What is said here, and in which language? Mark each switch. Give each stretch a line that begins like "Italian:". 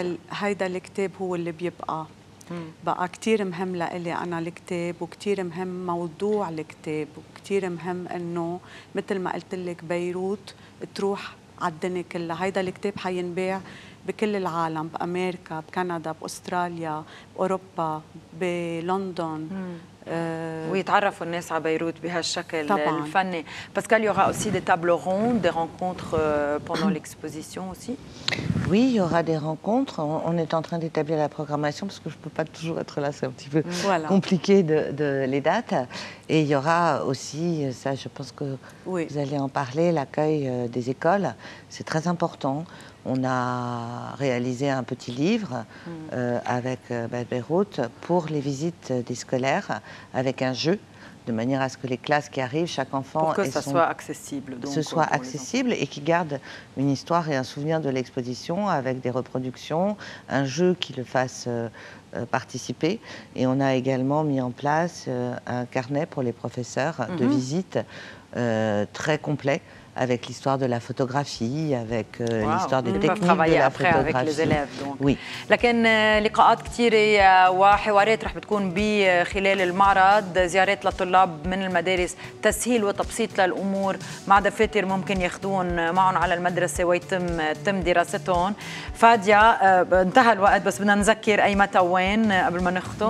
Arabic: هيدا الكتاب هو اللي بيبقى بقى كثير مهم لإلي انا الكتاب وكثير مهم موضوع الكتاب وكثير مهم انه مثل ما قلت لك بيروت تروح على الدنيا كلها هيدا الكتاب حينباع بكل العالم بأمريكا بكندا بأستراليا بأوروبا بلندن ويتعرفوا الناس على بيروت بهالشكل طبعاً. الفني بس قال يورا
French: aussi des tables rondes des rencontres pendant l'exposition aussi Oui, il y aura des rencontres. On est en train d'établir la programmation parce que je ne peux pas toujours être là. C'est un petit peu voilà. compliqué de les dates. Et il y aura aussi, ça je pense que oui. vous allez en parler, l'accueil des écoles. C'est très important. On a réalisé un petit livre avec Beyrouth pour les visites des scolaires avec un jeu. De manière à ce que les classes qui arrivent, chaque enfant... Pour que ça soit accessible. Donc, ce soit accessible et qui garde une histoire et un souvenir de l'exposition avec des reproductions, un jeu qui le fasse participer. Et on a également mis en place un carnet pour les professeurs de visite très complet avec l'histoire de la photographie, avec l'histoire des techniques de la photographie.
Arabic: لكن لقاءات كثيرة وحوارات رح بتكون بخلال المعرض، زيارات للطلاب من المدارس، تسهيل وتبسيط للأمور، مع دفاتر ممكن ياخذون معهم على المدرسة ويتم دراستهم. فاديا انتهى الوقت بس بدنا نذكر أي متى وين قبل ما نختم.